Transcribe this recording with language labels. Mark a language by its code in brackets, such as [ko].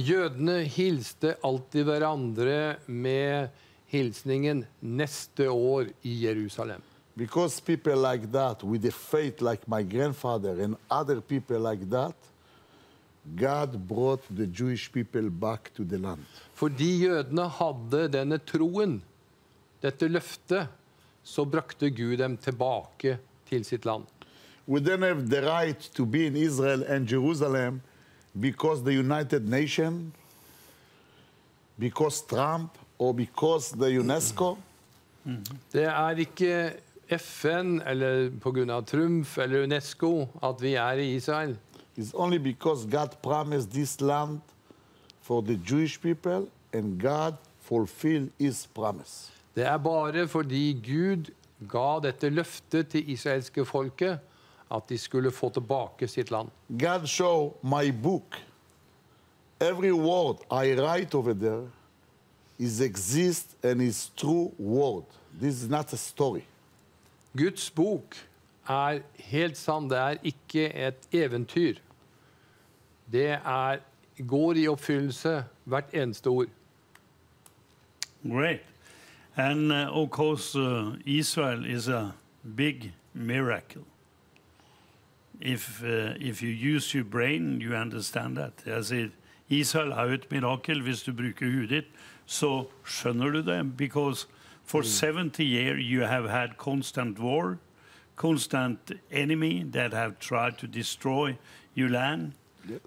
[no] Jødene hilste alltid hverandre med hilsningen neste år i Jerusalem. [en] Because people like that, with a faith like my grandfather and other people like that, God brought the Jewish people back to the land. [no] Fordi jødene hadde denne troen, dette løftet, så brakte Gud dem tilbake til sitt land. [en] We didn't have the right to be in Israel and Jerusalem because the United Nations, because Trump, or because the UNESCO? [no] Det er ikke FN eller på grunn av Trump eller UNESCO at vi er i Israel. [en] It's only because God promised this land for the Jewish people and God fulfilled his promise. [no] Det er bare fordi Gud ga dette løftet til israelske folket at de skulle få tilbake sitt land. [en] God show my book. Every word I write over there is exist and is true word. This is not a story. [no] Guds bok er helt sann. Det er ikke et eventyr. Det går i oppfyllelse hvert eneste ord. [en] Great. And of course, Israel is a big miracle. If you use your brain, you understand that. [no] As it, Israel er et mirakel hvis du bruker hodet ditt. Så skjønner du det, [en] because for 70 years you have had constant war, constant enemy that have tried to destroy your land, yes.